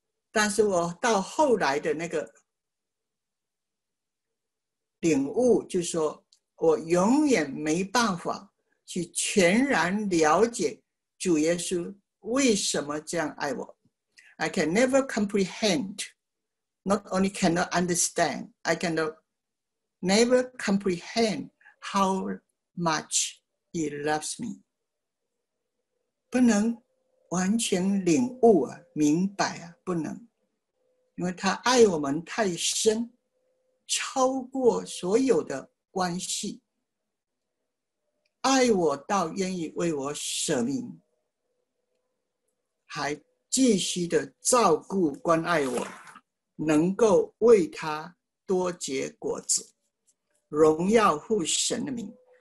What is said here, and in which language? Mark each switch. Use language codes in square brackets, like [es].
[zh] 但是我到后来的那个领悟，就是说我永远没办法去全然了解主耶稣为什么这样爱我。 [en] I can never comprehend, not only cannot understand, I cannot never comprehend how much he loves me. [zh] 不能完全领悟啊，明白啊，不能，因为他爱我们太深，超过所有的关系，爱我到愿意为我舍命，还继续的照顾关爱我，能够为他多结果子，荣耀父神的名。